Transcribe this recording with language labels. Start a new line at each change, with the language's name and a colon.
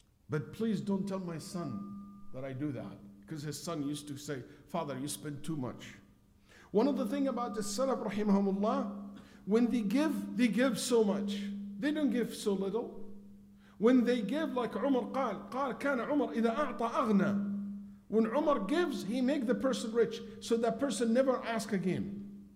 English: But please don't tell my son that I do that. Because his son used to say, Father, you spend too much. One of the things about the Salaf, rahimahumullah, when they give so much. They don't give so little. When they give, like Umar
Arabic: قال, قال كان عمر إذا أعطى أغنى.
English: When Umar gives, he makes the person rich, so that person never asks again.